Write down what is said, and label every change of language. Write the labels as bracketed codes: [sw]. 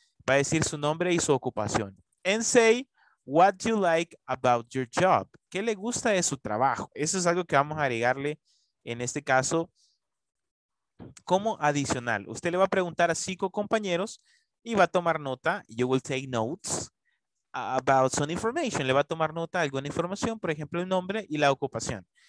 [es] Va a decir su nombre y su ocupación. [en] And say, what do you like about your job? [es] ¿Qué le gusta de su trabajo? Eso es algo que vamos a agregarle en este caso como adicional. Usted le va a preguntar a 5 compañeros y va a tomar nota. [en] You will take notes about some information. [es] Le va a tomar nota alguna información, por ejemplo, el nombre y la ocupación.